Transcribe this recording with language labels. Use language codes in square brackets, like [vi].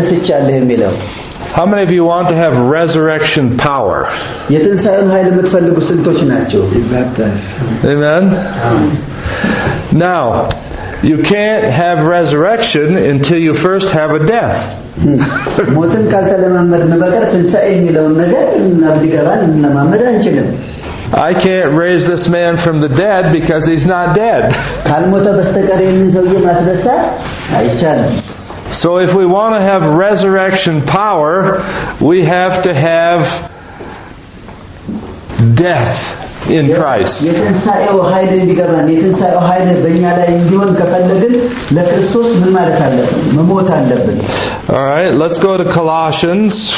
[en] How many of you want to have resurrection power? Amen. Now, You can't have resurrection until you first have a death. [am] ሞትን ካልተለማመድ ነበር ትንሳኤ የሚለውን ነገር እናብዲገባን እናማመድ አንችልም። [en] I can't raise this man from the dead because he's not dead. [am] ካልሞተ በስተቀር ይህን ሰው ማስነሳት አይቻልም። [en] So if we want to have resurrection power, we have to have death. In Christ. [am] የትንሳኤው ኃይል እንዲገባ የትንሳኤው ኃይል በእኛ ላይ እንዲሆን ከፈለግን ለክርስቶስ ምን ማለት አለብን? መሞት አለብን። [en] All right, let's go to Colossians.